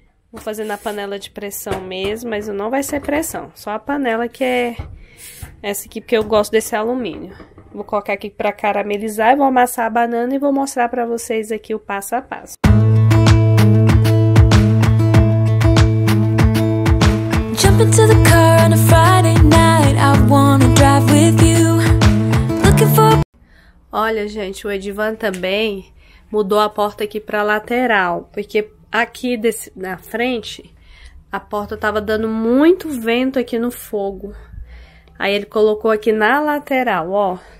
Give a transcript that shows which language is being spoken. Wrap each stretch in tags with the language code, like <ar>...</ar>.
<pt>Vou fazer na panela de pressão mesmo, mas não vai ser pressão. Só a panela que é essa aqui, porque eu gosto desse alumínio. Vou colocar aqui pra caramelizar e vou amassar a banana e vou mostrar pra vocês aqui o passo a passo.</pt> <en>Jump into the car on a Friday night, I wanna drive with you.</en> <pt>Olha, gente, o Edivan também mudou a porta aqui pra lateral, porque aqui desse, na frente, a porta tava dando muito vento aqui no fogo. Aí ele colocou aqui na lateral, ó.</pt>